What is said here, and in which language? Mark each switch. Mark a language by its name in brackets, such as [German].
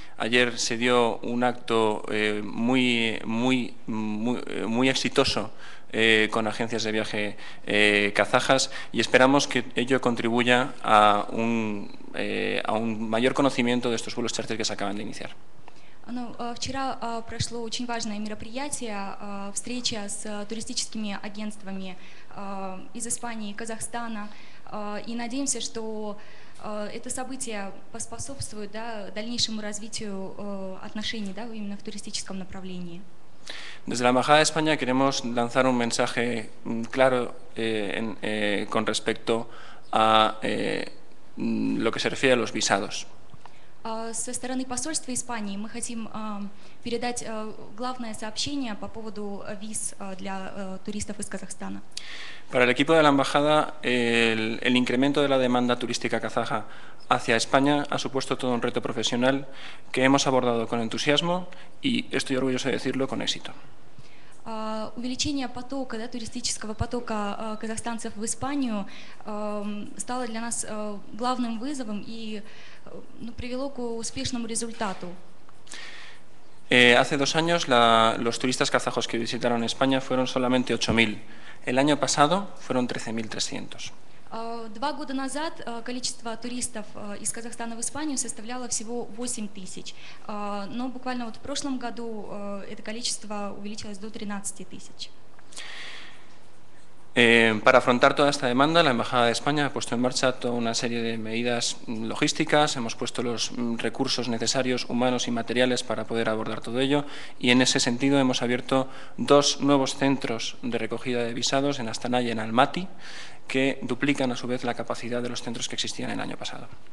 [Spanish] Ayer se dio un acto muy exitoso con agencias de viaje kazajas y esperamos que ello contribuya a un mayor conocimiento de estos vuelos charter que se acaban de iniciar. [Russian] Ну, вчера прошло очень важное мероприятие, встреча с туристическими агентствами из Испании и Казахстана, и надеемся, что это событие поспособствует, да, дальнейшему развитию отношений, да, именно в туристическом направлении. [Spanish] Desde la Embajada de España queremos lanzar un mensaje claro con respecto a lo que se refiere a los visados. [Russian] Со стороны посольства Испании мы хотим передать главное сообщение по поводу виз для туристов из Казахстана. [Spanish] Para el equipo de la embajada, el incremento de la demanda turística kazaja hacia España ha supuesto todo un reto profesional que hemos abordado con entusiasmo y estoy orgulloso de decirlo con éxito. [Russian] Увеличение потока, да, туристического потока казахстанцев в Испанию стало для нас главным вызовом и привело к успешному результату. [Spanish] Hace dos años los turistas kazajos que visitaron España fueron solamente 8.000. El año pasado fueron 13.300. [Russian] Два года назад количество туристов из Казахстана в Испанию составляло всего 8 тысяч, но буквально вот в прошлом году это количество увеличилось до 13 тысяч. [Spanish] Para afrontar toda esta demanda, la Embajada de España ha puesto en marcha toda una serie de medidas logísticas, hemos puesto los recursos necesarios, humanos y materiales para poder abordar todo ello, y en ese sentido hemos abierto dos nuevos centros de recogida de visados en Astana y en Almaty, que duplican a su vez la capacidad de los centros que existían el año pasado.